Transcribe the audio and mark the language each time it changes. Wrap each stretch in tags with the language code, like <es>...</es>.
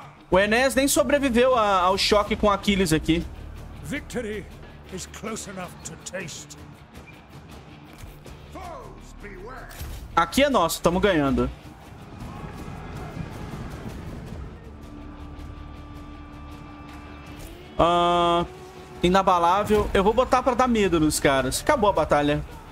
<pt>O Enes nem sobreviveu ao choque com o Aquiles aqui.</pt> <en>Victory is close enough to taste. Foes, beware.</en> <pt>Aqui é nosso, estamos ganhando. Inabalável. Eu vou botar pra dar medo nos caras. Acabou a batalha.</pt>